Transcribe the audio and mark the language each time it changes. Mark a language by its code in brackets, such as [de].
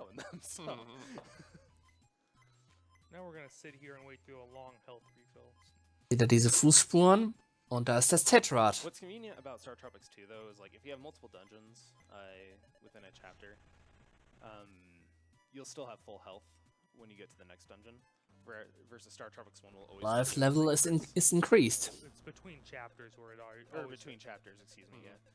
[en] Now we're gonna sit here and wait through a long health refill. [de] Wieder diese Fußspuren und da ist das Tetrad. [en] What's convenient about Star Tropics 2 though is like if you have multiple dungeons within a chapter, you'll still have full health when you get to the next dungeon. Versus Star Tropics 1 will always life level is increased. It's between chapters where it are or between chapters, excuse me, yeah.